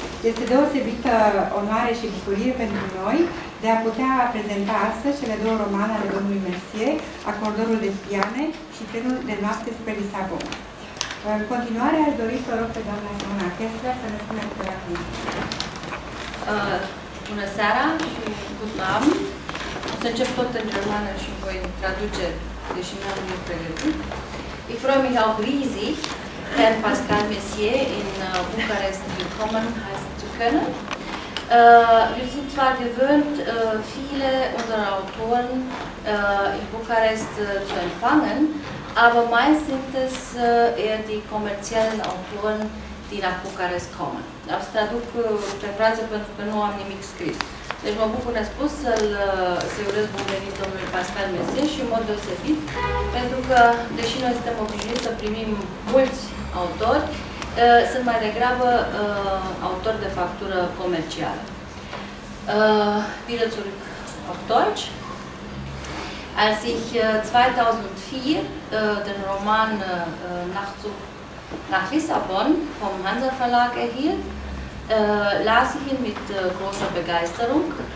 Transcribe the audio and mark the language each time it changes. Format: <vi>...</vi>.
<ro>Este deosebită onoare și bucurie pentru noi de a putea prezenta astăzi cele două romane ale domnului Mercier, Acordorul de piane și Trenul de noapte spre Lisabon. În continuare, aș dori să rog pe doamna Simona Kessler să ne spună câteva cuvinte. Bună seara și</ro> <de>guten Abend.</de> <ro>O să încep tot în germană și voi traduce, deși nu am nimic pregătit.</ro> <de>Ich freue mich auf riesig, Herr Pascal Mercier in Bucharest willkommen heißen zu können. Wir sind zwar gewöhnt, viele unserer Autoren in Bukarest zu empfangen, aber meist sind es eher die kommerziellen Autoren, die nach Bukarest kommen. Aus der Druckreise bin ich nur am</de> <ro>nimic scris. Deci mă bucur nespus să-i urez bun venit domnului Pascal Mercier și în mod deosebit, pentru că, deși noi suntem obișnuiți să primim mulți autori, sunt mai degrabă autori de factură comercială.</ro> <de>Wieder zurück auf Deutsch. Als ich 2004 den Roman Nachtzug nach Lissabon vom Hansa Verlag erhielt, las ich ihn mit großer Begeisterung.</de>